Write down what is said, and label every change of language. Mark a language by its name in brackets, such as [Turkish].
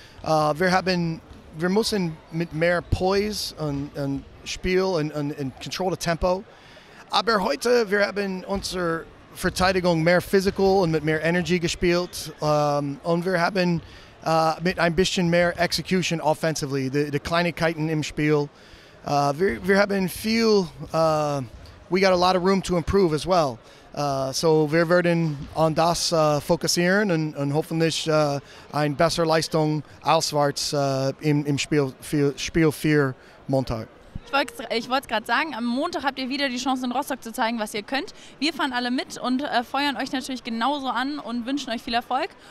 [German] Wir müssen mit mehr Poise und Spiel und Control der Tempo. Aber heute wir haben unsere Verteidigung mehr physical und mit mehr Energy gespielt. Und wir haben mit ein bisschen mehr [English] Execution offensively, [German] die Kleinigkeiten im Spiel. Wir haben viel, [English] we got a lot of room to improve as well. [German] So wir werden on das fokussieren und hoffentlich ein besser Leistung auswärts im Spiel 4 Montag. Ich wollte es gerade sagen, am Montag habt ihr wieder die Chance in Rostock zu zeigen, was ihr könnt. Wir fahren alle mit und feuern euch natürlich genauso an und wünschen euch viel Erfolg.